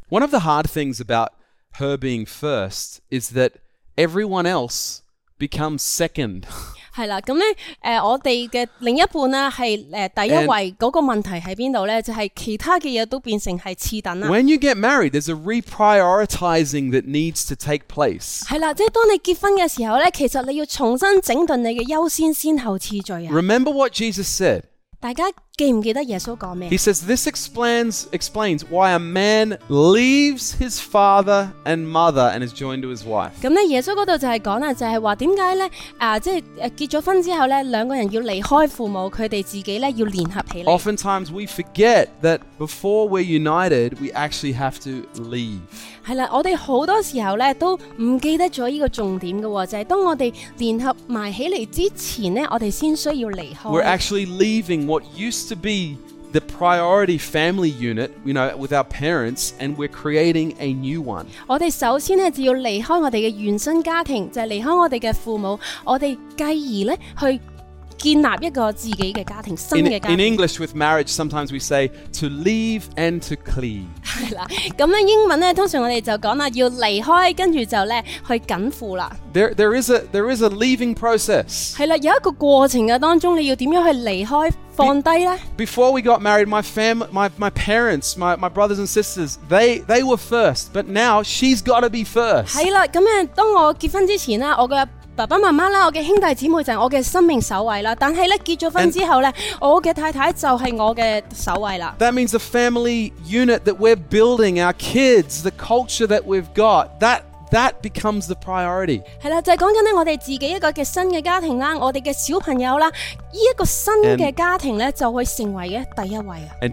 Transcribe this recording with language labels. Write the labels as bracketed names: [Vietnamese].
[English] One of the hard things about her being first is that everyone else becomes second. [Cantonese] 係啦，咁咧，我哋嘅另一半咧係第一位，嗰個問題喺邊度咧？就係其他嘅嘢都變成係次等啦。 [English] When you get married, there's a reprioritizing that needs to take place. [Cantonese] 係啦，即係當你結婚嘅時候咧，其實你要重新整頓你嘅優先先後次序啊。 [English] Remember what Jesus said. [Cantonese] 大家記唔記得耶穌講咩？ [English] He says this explains why a man leaves his father and mother and is joined to his wife. [Cantonese] 咁耶穌嗰度就係講啦，就係話點解咧？即係結咗婚之後咧，兩個人要離開父母，佢哋自己咧要聯合起嚟。 [English] Oftentimes we forget that before we're united, we actually have to leave. [Cantonese] 係啦，我哋好多時候咧都唔記得咗依個重點嘅喎，就係當我哋聯合埋起嚟之前咧，我哋先需要離開。 [English] We're actually leaving what used to be the priority family unit, you know, with our parents, and we're creating a new one. [Cantonese] 我哋首先咧就要离开我哋嘅原生家庭，就系离开我哋嘅父母，我哋继而咧去建立一个自己嘅家庭，新嘅家庭。 [English] In English, with marriage, sometimes we say to leave and to cleave. [Cantonese] 系啦，咁咧英文咧，通常我哋就讲啦，要离开，跟住就咧去紧缚啦。 [English] There is a leaving process. [Cantonese] 系啦，有一个过程嘅当中，你要点样去离开？ [English] Before we got married, my parents, my brothers and sisters, they were first, but now she's got to be first. [Cantonese] 係啦，咁樣當我結婚之前咧，我嘅爸爸媽媽啦，我嘅兄弟姊妹就係我嘅生命首位啦。但係咧結咗婚之後咧，我嘅太太就係我嘅首位啦。 [English] That means the family unit that we're building, our kids, the culture that we've got, that becomes the priority. [Cantonese] 係啦，就係講緊咧，我哋自己一個嘅新嘅家庭啦，我哋嘅小朋友啦，依一個新嘅家庭咧就會成為嘅第一位啊。